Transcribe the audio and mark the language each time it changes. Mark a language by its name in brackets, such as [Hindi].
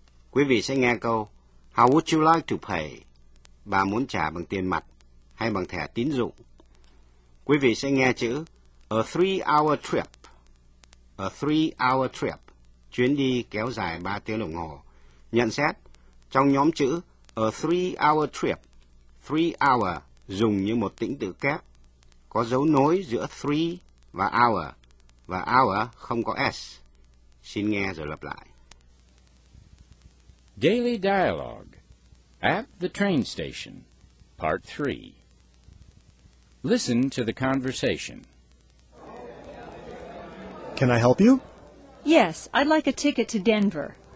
[Vietnamese] Quý vị sẽ nghe câu, [English] how would you like to pay? [Vietnamese] Bà muốn trả bằng tiền mặt hay bằng thẻ tín dụng. Quý vị sẽ nghe chữ, [English] a three-hour trip. A three-hour trip. [Vietnamese] Chuyến đi kéo dài 3 tiếng đồng hồ. Nhận xét, trong nhóm chữ [English] a three-hour trip, [Vietnamese] three-hour dùng như một tĩnh tự kép, có dấu nối giữa three và hour không có S. Xin nghe rồi lặp lại. [English] Daily Dialogue at the Train Station, Part 3. Listen to the conversation. Can I help you? Yes, I'd like a ticket to Denver.